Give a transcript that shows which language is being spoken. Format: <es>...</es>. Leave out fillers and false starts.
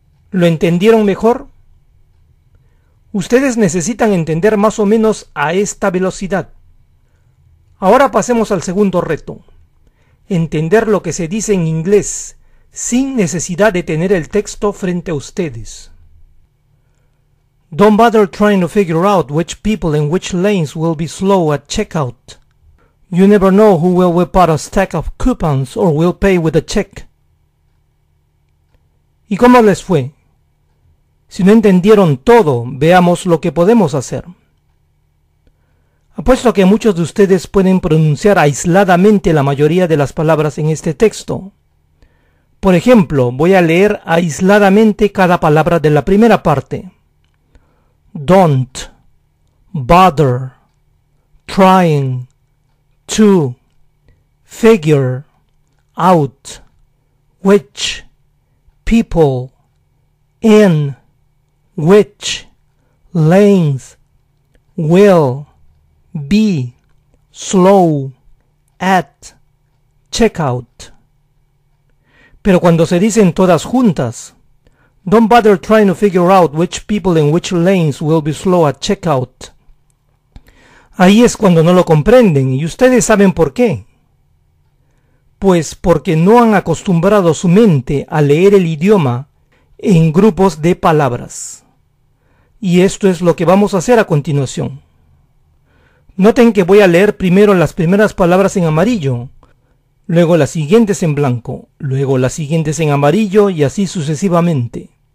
<es>¿Lo entendieron mejor? Ustedes necesitan entender más o menos a esta velocidad. Ahora pasemos al segundo reto. Entender lo que se dice en inglés, sin necesidad de tener el texto frente a ustedes.</es> <en>Don't bother trying to figure out which people in which lanes will be slow at checkout. You never know who will whip out a stack of coupons or will pay with a check.</en> <es>¿Y cómo les fue? Si no entendieron todo, veamos lo que podemos hacer. Apuesto que muchos de ustedes pueden pronunciar aisladamente la mayoría de las palabras en este texto. Por ejemplo, voy a leer aisladamente cada palabra de la primera parte.</es> <en>Don't, bother, trying, to, figure, out, which, people, in, which, lanes, will, be, slow, at, checkout.</en> <es>Pero cuando se dicen todas juntas,</es> <en>don't bother trying to figure out which people in which lanes will be slow at checkout.</en> <es>Ahí es cuando no lo comprenden, y ustedes saben por qué. pues porque no han acostumbrado su mente a leer el idioma en grupos de palabras. Y esto es lo que vamos a hacer a continuación. Noten que voy a leer primero las primeras palabras en amarillo, luego las siguientes en blanco, luego las siguientes en amarillo y así sucesivamente.</es>